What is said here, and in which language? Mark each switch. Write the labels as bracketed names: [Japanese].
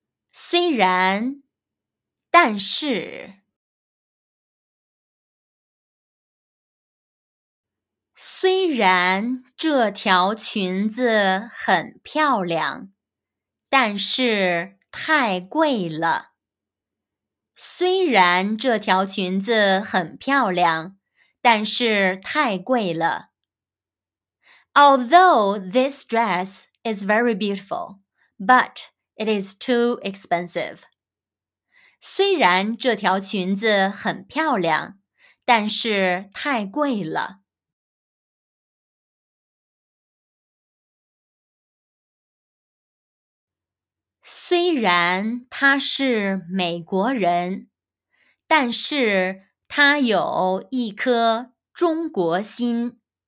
[Chinese] 虽然但是虽然这条裙子很漂亮但是太贵了。虽然这条裙子很漂亮但是太贵了。 [English] Although this dress is very beautiful, but it is too expensive. [Chinese] 虽然这条裙子很漂亮，但是太贵了。虽然他是美国人，但是他有一颗中国心。